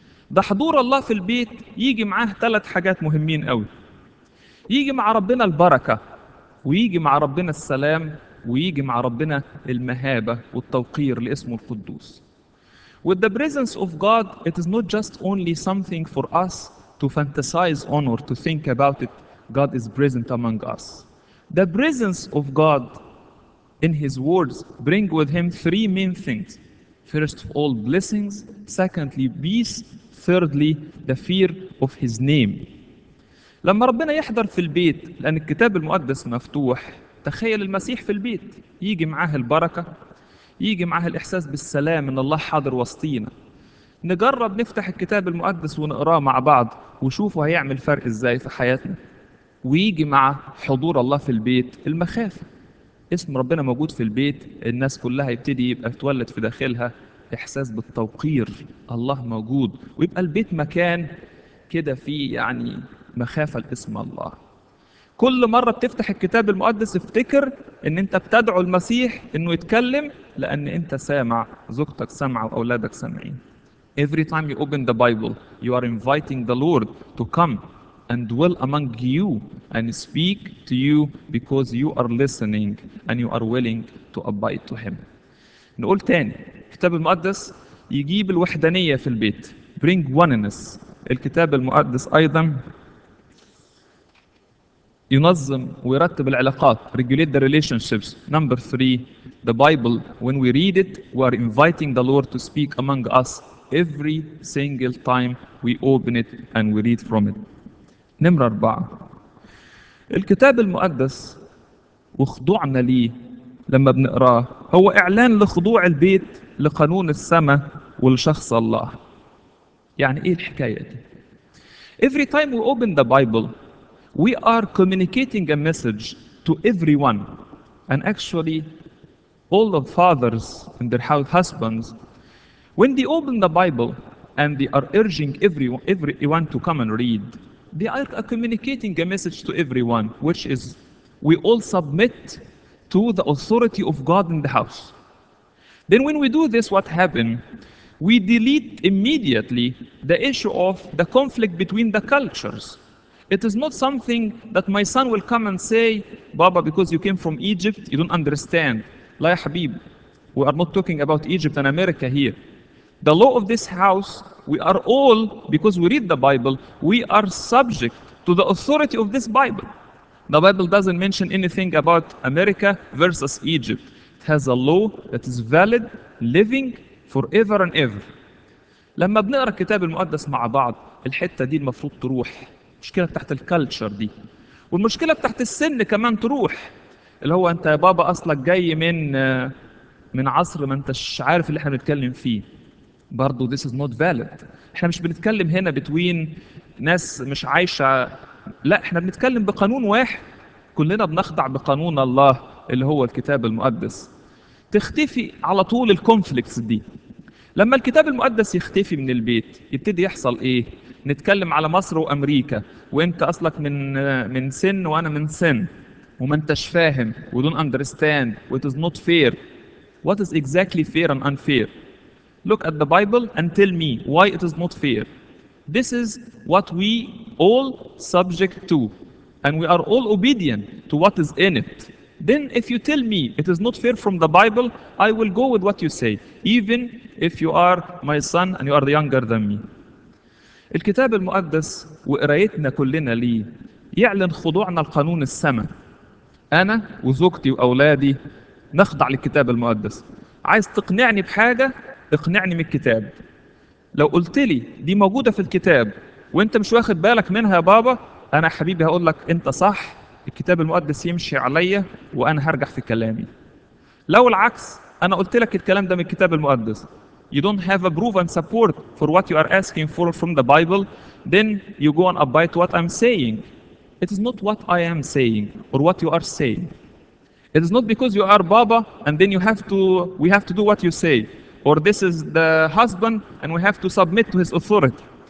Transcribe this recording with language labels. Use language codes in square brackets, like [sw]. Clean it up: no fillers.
[ar] ده حضور الله في البيت يجي معاه ثلاث حاجات مهمين قوي. يجي مع ربنا البركة، ويجي مع ربنا السلام، ويجي مع ربنا المهابة والتوقير لاسمه القدوس. [en] With the presence of God, it is not just only something for us to fantasize on or to think about it. God is present among us. The presence of God in His words bring with Him three main things. First of all, blessings. Secondly, peace. Thirdly, the fear of His name. [ar] لما ربنا يحضر في البيت، لأن الكتاب المقدس مفتوح، تخيل المسيح في البيت، يجي معاه البركة، يجي معاه الإحساس بالسلام إن الله حاضر وسطينا. نجرب نفتح الكتاب المقدس ونقراه مع بعض وشوفه هيعمل فرق إزاي في حياتنا. ويجي مع حضور الله في البيت المخافة، اسم ربنا موجود في البيت، الناس كلها يبتدي يبقى تولد في داخلها إحساس بالتوقير، الله موجود، ويبقى البيت مكان كده فيه يعني مخافة لاسم الله. كل مرة بتفتح الكتاب المقدس افتكر ان انت بتدعو المسيح انه يتكلم، لان انت سامع، زوجتك سامعة واولادك سامعين. [en] Every time you open the Bible, you are inviting the Lord to come and dwell among you and speak to you because you are listening and you are willing to abide to Him. [ar] نقول تاني، الكتاب المقدس يجيب الوحدانية في البيت، [en] bring oneness. [ar] الكتاب المقدس ايضا ينظم ويرتب العلاقات، [en] regulate the relationships. Number three, the Bible, when we read it, we are inviting the Lord to speak among us every single time we open it and we read from it. [ar] نمرة أربعة، الكتاب المقدس وخضوعنا ليه لما بنقراه هو إعلان لخضوع البيت لقانون السماء ولشخص الله. يعني إيه الحكاية دي؟ [en] Every time we open the Bible, we are communicating a message to everyone. And actually, all the fathers and their husbands, when they open the Bible and they are urging everyone to come and read, they are communicating a message to everyone, which is, we all submit to the authority of God in the house. Then when we do this, what happened? We delete immediately the issue of the conflict between the cultures. It is not something that my son will come and say, Baba, because you came from Egypt, you don't understand. [ar] La ya Habib, [en] we are not talking about Egypt and America here. The law of this house, we are all, because we read the Bible, we are subject to the authority of this Bible. The Bible doesn't mention anything about America versus Egypt. It has a law that is valid, living forever and ever. [ar] لما بنقرأ الكتاب المقدس مع بعض الحتة دي المفروض تروح. مشكلة تحت الكالتشر دي والمشكلة تحت السن كمان تروح، اللي هو انت يا بابا اصلك جاي من عصر ما انتش عارف اللي احنا بنتكلم فيه. برضو [en] this is not valid. [ar] احنا مش بنتكلم هنا بتوين ناس مش عايشة، لا احنا بنتكلم بقانون واحد، كلنا بنخضع بقانون الله اللي هو الكتاب المقدس. تختفي على طول الكونفليكتس دي. لما الكتاب المقدس يختفي من البيت يبتدي يحصل ايه؟ نتكلم على مصر وامريكا، وانت اصلك من سن وانا من سن، وما انتش فاهم، [en] we don't understand، it is not fair. What is exactly fair and unfair? Look at the Bible and tell me why it is not fair. This is what we all subject to, and we are all obedient to what is in it. Then if you tell me it is not fair from the Bible, I will go with what you say, even if you are my son and you are younger than me. [ar] الكتاب المقدس وقرايتنا كلنا ليه يعلن خضوعنا لقانون السماء. أنا وزوجتي وأولادي نخضع للكتاب المقدس. عايز تقنعني بحاجة، اقنعني من الكتاب. لو قلت لي دي موجودة في الكتاب وانت مش واخد بالك منها يا بابا، أنا حبيبي هقول لك انت صح، الكتاب المقدس يمشي عليا وأنا هرجع في كلامي. لو العكس، أنا قلت لك الكلام ده من الكتاب المقدس، [en] you don't have a proof and support for what you are asking for from the Bible, then you go and abide to what I'm saying. It is not what I am saying or what you are saying. It is not because you are Baba and then we have to do what you say, or this is the husband and we have to submit to his authority.